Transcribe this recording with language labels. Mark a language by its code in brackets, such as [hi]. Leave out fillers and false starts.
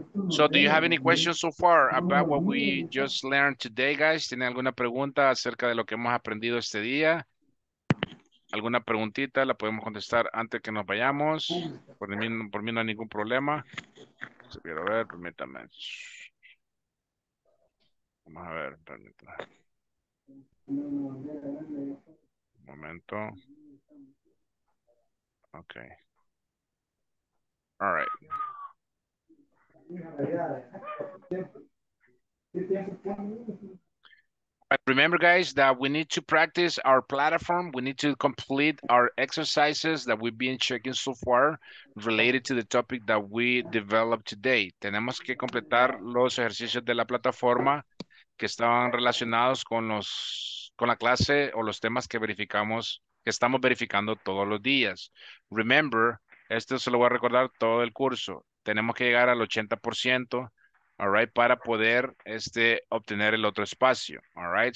[en] So, do you have any questions so far about what we just learned today, guys? [es] ¿Tiene alguna pregunta acerca de lo que hemos aprendido este día? ¿Alguna preguntita? La podemos contestar antes que nos vayamos. Por mí no hay ningún problema. Si quiero ver, permítame. Vamos a ver, permítame. Un momento. [en] Okay. All right. But remember, guys, that we need to practice our platform. We need to complete our exercises that we've been checking so far related to the topic that we developed today. [es] Tenemos que completar los ejercicios de la plataforma que estaban relacionados con la clase o los temas que verificamos, que estamos verificando todos los días. Remember, esto se lo voy a recordar todo el curso. Tenemos que llegar al 80%, [en] all right, [es] para poder obtener el otro espacio, all right.